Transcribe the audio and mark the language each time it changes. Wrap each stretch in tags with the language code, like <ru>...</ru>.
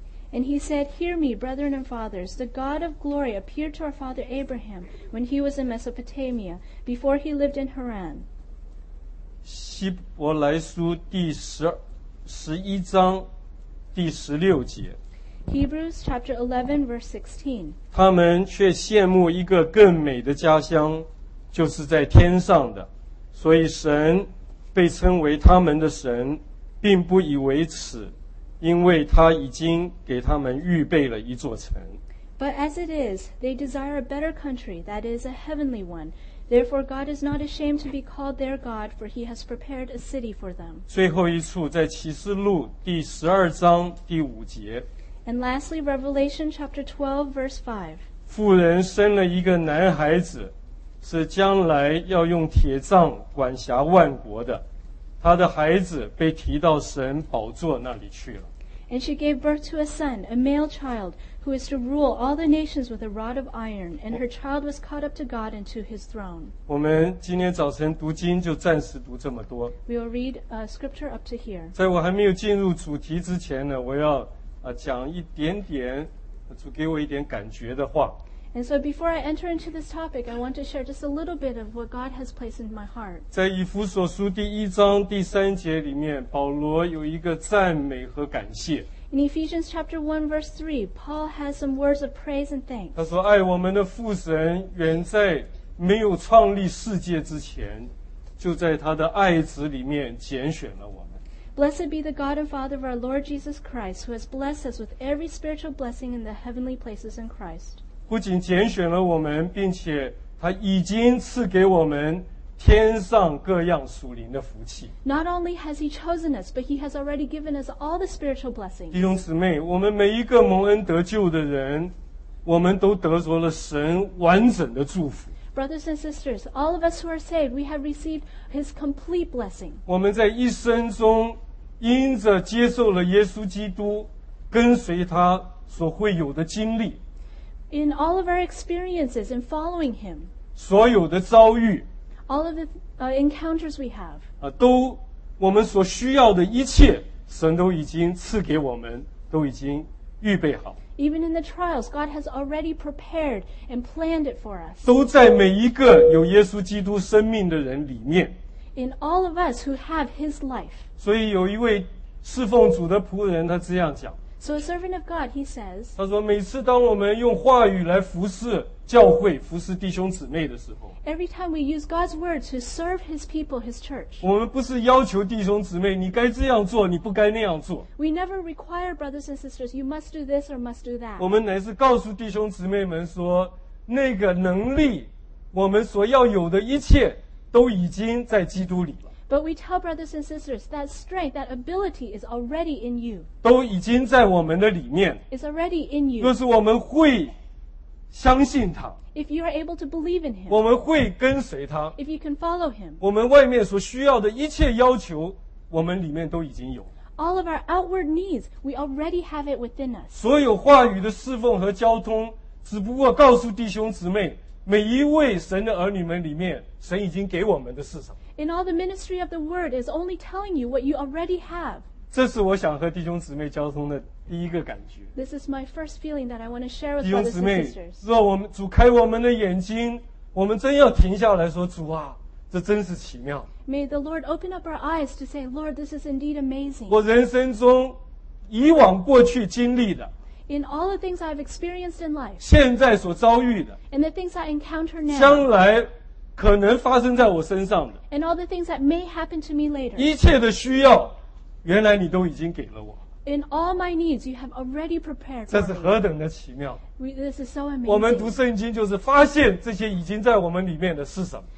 <en>And he said, Hear me, brethren and fathers, the God of glory appeared to our father Abraham when he was in Mesopotamia, before he lived in Haran.</en> <zh>希伯来书第十一章第十六节。</zh> <en>Hebrews chapter 11 verse 16.</en> <zh>他们却羡慕一个更美的家乡，就是在天上的。所以神被称为他们的神，并不以为耻，因为他已经给他们预备了一座城。</zh> <en>But as it is, they desire a better country, that is, a heavenly one. Therefore, God is not ashamed to be called their God, for he has prepared a city for them.</en> <zh>最后一处在启示录第十二章第五节。</zh> <en>And lastly, Revelation chapter 12, verse 5.</en> <zh>妇人生了一个男孩子，是将来要用铁杖管辖万国的。他的孩子被提到神宝座那里去了。</zh> <en>And she gave birth to a son, a male child, who is to rule all the nations with a rod of iron, and her child was caught up to God and to his throne.</en> <zh>我们今天早晨读经就暂时读这么多。</zh> <en>We will read a scripture up to here.</en> <zh>在我还没有进入主题之前呢，我要讲一点点主给我一点感觉的话。</zh> <en>And so before I enter into this topic, I want to share just a little bit of what God has placed in my heart.</en> <zh>在以弗所书第一章第三节里面，保罗有一个赞美和感谢。</zh> <en>In Ephesians chapter 1 verse 3, Paul has some words of praise and thanks.</en> <zh>他说，爱我们的父神远在没有创立世界之前，就在他的爱子里面拣选了我们。</zh> <en>Blessed be the God and Father of our Lord Jesus Christ, who has blessed us with every spiritual blessing in the heavenly places in Christ.</en> <zh>不仅拣选了我们，并且他已经赐给我们天上各样属灵的福气。</zh> <en>Not only has he chosen us, but he has already given us all the spiritual blessings.</en> <zh>弟兄姊妹，我们每一个蒙恩得救的人，我们都得着了神完整的祝福。</zh> <en>Brothers and sisters, all of us who are saved, we have received his complete blessing.</en> <zh>我们在一生中，因着接受了耶稣基督，跟随他所会有的经历。</zh> <en>In all of our experiences in following him,</en> <zh>所有的遭遇,</zh> <en>all of the encounters we have,</en> <zh>都我们所需要的一切，神都已经赐给我们，都已经预备好。</zh> <en>Even in the trials, God has already prepared and planned it for us.</en> <zh>都在每一个有耶稣基督生命的人里面。</zh> <en>In all of us who have his life.</en> <zh>所以有一位侍奉主的仆人，他这样讲。</zh> <en>So a servant of God, he says,</en> <zh>他说每次当我们用话语来服侍教会服侍弟兄姊妹的时候</zh> <en>Every time we use God's word to serve his people, his church,</en> <zh>我们不是要求弟兄姊妹你该这样做你不该那样做</zh> <en>We never require brothers and sisters, you must do this or must do that.</en> <zh>我们乃是告诉弟兄姊妹们说那个能力我们所要有的一切都已经在基督里了</zh> <en>But we tell brothers and sisters that strength, that ability is already in you.</en> <zh>都已经在我们的里面。</zh> <en>It's already in you.</en> <zh>就是我们会相信他。</zh> <en>If you are able to believe in him.</en> <zh>我们会跟随他。</zh> <en>If you can follow him.</en> <zh>我们外面所需要的一切要求，我们里面都已经有。</zh> <en>All of our outward needs, we already have it within us.</en> <zh>所有话语的侍奉和交通，只不过告诉弟兄姊妹，每一位神的儿女们里面，神已经给我们的是什么。</zh> <en>In all the ministry of the word is only telling you what you already have.</en> <zh>这是我想和弟兄姊妹交通的第一个感觉。</zh> <en>This is my first feeling that I want to share with</en> <zh>弟兄姊妹，若我们主开我们的眼睛，我们真要停下来说，主啊，这真是奇妙。</zh> <en>May the Lord open up our eyes to say, Lord, this is indeed amazing.</en> <zh>我人生中以往过去经历的。</zh> <en>In all the things I've experienced in life.</en> <zh>现在所遭遇的。</zh> <en>And the things I encounter now.</en> <zh>将来可能发生在我身上的</zh> <en>and all the things that may happen to me later</en> <zh>一切的需要原来你都已经给了我</zh> <en>in all my needs you have already prepared for</en> <zh>这是何等的奇妙</zh> <en>this is so amazing</en> <zh>我们读圣经就是发现这些已经在我们里面的是什么</zh>